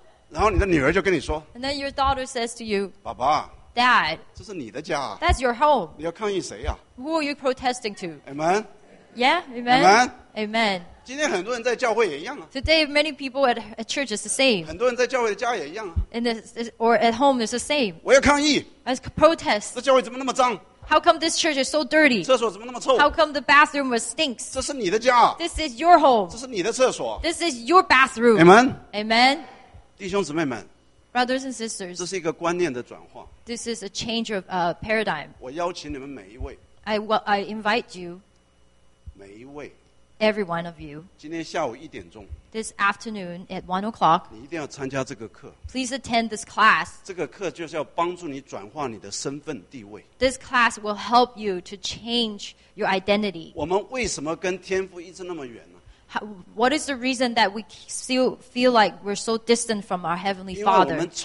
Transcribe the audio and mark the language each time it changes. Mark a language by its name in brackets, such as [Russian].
[Chinese] 然后你的女儿就跟你说, [English] and then your daughter says to you, [Chinese] 爸爸, [English] Dad, [Chinese] 这是你的家, [English] that's your home. [Chinese] 你要抗议谁啊? [English] Who are you protesting to? Amen. Yeah, amen. Amen. Amen. [Chinese] 今天很多人在教会也一样啊, [English] today, many people at church is the same. [Chinese] 很多人在教会的家也一样啊, [English] or at home is the same. [Chinese] 我要抗议! [English] I protest. [Chinese] 这教会怎么那么脏? [English] How come this church is so dirty? [Chinese] 厕所怎么那么臭? [English] How come the bathroom was stinks? [Chinese] 这是你的家? [English] This is your home. [Chinese] 这是你的厕所? [English] This is your bathroom. Amen. Amen. [Chinese] 弟兄姊妹们, [English] brothers and sisters, [Chinese] 这是一个观念的转化, [English] this is a change of paradigm. [Chinese] 我邀请你们每一位, [English] I invite you, [Chinese] 每一位, [English] every one of you, [Chinese] 今天下午1点钟, [English] this afternoon at 1 o'clock, [Chinese] 你一定要参加这个课, [English] please attend this class. [Chinese] 这个课就是要帮助你转化你的身份地位, [English] this class will help you to change your identity. [Chinese] 我们为什么跟天父一直那么远呢? [English] What is the reason that we still feel like we're so distant from our Heavenly Father?